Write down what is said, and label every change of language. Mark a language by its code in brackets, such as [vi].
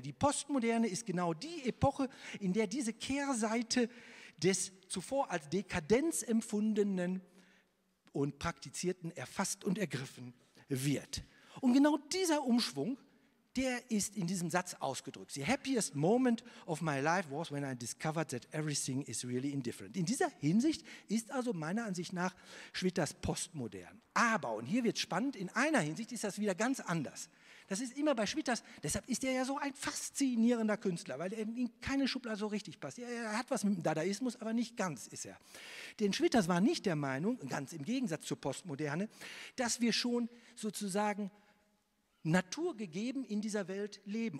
[de] Die Postmoderne ist genau die Epoche, in der diese Kehrseite des zuvor als Dekadenz empfundenen und praktizierten erfasst und ergriffen wird. Und genau dieser Umschwung, der ist in diesem Satz ausgedrückt. [en] The happiest moment of my life was when I discovered that everything is really indifferent. [de] In dieser Hinsicht ist also meiner Ansicht nach Schwitters postmodern. Aber, und hier wird es spannend, in einer Hinsicht ist das wieder ganz anders. Das ist immer bei Schwitters, deshalb ist er ja so ein faszinierender Künstler, weil er in keine Schublade so richtig passt. Er hat was mit dem Dadaismus, aber nicht ganz ist er. Denn Schwitters war nicht der Meinung, ganz im Gegensatz zur Postmoderne, dass wir schon sozusagen naturgegeben in dieser Welt leben.